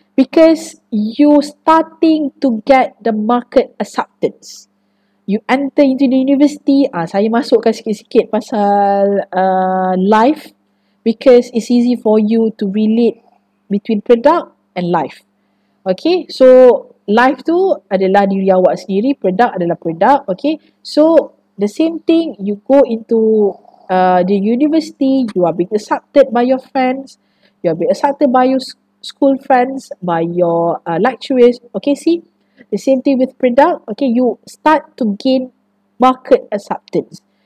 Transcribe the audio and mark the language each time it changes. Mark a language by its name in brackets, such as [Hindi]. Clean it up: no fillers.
[English] Because you starting to get the market acceptance. You enter into the university. [Malay] Saya masukkan sikit-sikit pasal [English] life. Because it's easy for you to relate between product and life. [Malay] Okay, so life tu adalah diri awak sendiri, product adalah produk, okay. [English] So, the same thing, you go into the university, you are being accepted by your friends, you are being accepted by your school friends, by your lecturers, okay, see? The same thing with product, okay, you start to gain market acceptance.